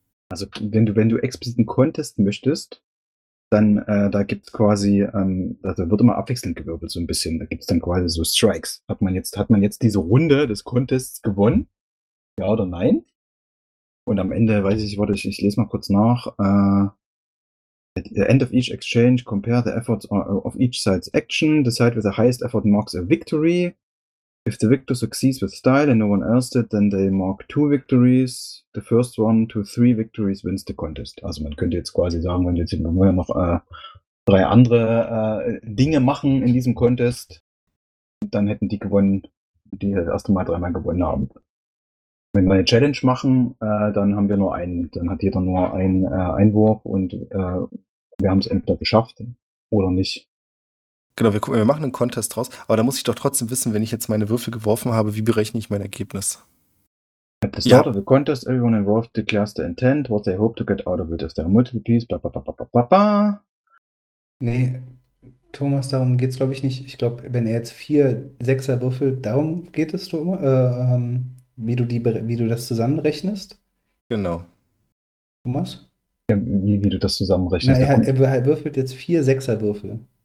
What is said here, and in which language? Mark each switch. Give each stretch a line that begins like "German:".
German: Also wenn du explizit einen Contest möchtest, dann da gibt es quasi, also wird immer abwechselnd gewürfelt so ein bisschen, da gibt es dann quasi so Strikes. Hat man jetzt diese Runde des Contests gewonnen? Ja oder nein? Und am Ende, ich lese mal kurz nach.
English: At the end of each exchange, compare the efforts of each side's action. Decide with the highest effort marks a victory. If the victor succeeds with style and no one else did, then they mark 2 victories. The first one to 3 victories wins the contest.
German: Also man könnte jetzt quasi sagen, wenn jetzt noch drei andere Dinge machen in diesem Contest, dann hätten die gewonnen, die das erste Mal dreimal gewonnen haben. Wenn wir eine Challenge machen, dann haben wir nur einen, dann hat jeder nur einen Einwurf und wir haben es entweder geschafft oder nicht. Genau, wir machen einen Contest draus, aber da muss ich doch trotzdem wissen, wenn ich jetzt meine Würfel geworfen habe, wie berechne ich mein Ergebnis?
English: At the start of the contest, everyone involved declares the intent, what they hope to get out of it, if there are multiple pieces, bla bla bla bla bla bla bla.
German: Nee, Thomas, darum geht's glaube ich nicht. Ich glaube, wenn er jetzt 4 Sechser würfelt, darum geht es, Thomas. wie du das zusammenrechnest? Genau. Thomas? Ja, wie du das zusammenrechnest? Na, er würfelt jetzt 4 Sechserwürfel.